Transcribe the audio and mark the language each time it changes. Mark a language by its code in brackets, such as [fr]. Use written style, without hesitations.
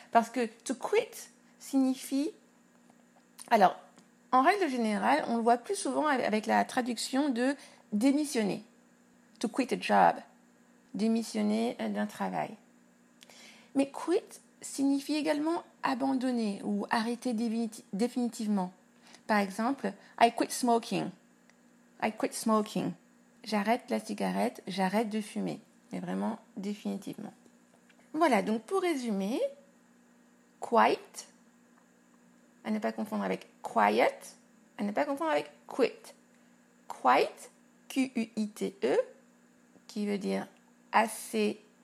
[fr] Parce que to quit signifie. Alors, en règle générale, on le voit plus souvent avec la traduction de démissionner. [en] To quit a job. [fr] Démissionner d'un travail. Mais quit signifie également abandonner ou arrêter définitivement. Par exemple, [en] I quit smoking. I quit smoking. [fr] J'arrête la cigarette, j'arrête de fumer. Mais vraiment définitivement. Voilà, donc pour résumer, quit. À ne pas confondre avec quiet, à ne pas confondre avec quit. Quite, Q-U-I-T-E, qui veut dire assez